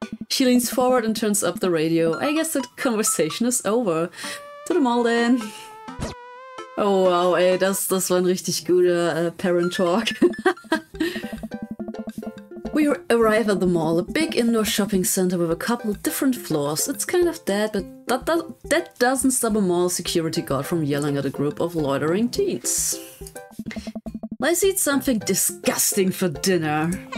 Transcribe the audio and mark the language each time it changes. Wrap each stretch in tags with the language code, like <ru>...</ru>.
<en>She leans forward and turns up the radio. I guess the conversation is over. To the mall then.</en> <de>Oh wow, ey, das war ein richtig guter Parent Talk.</de> <en>We arrive at the mall, a big indoor shopping center with a couple of different floors. It's kind of dead, but that doesn't stop a mall security guard from yelling at a group of loitering teens. Let's eat something disgusting for dinner.</en>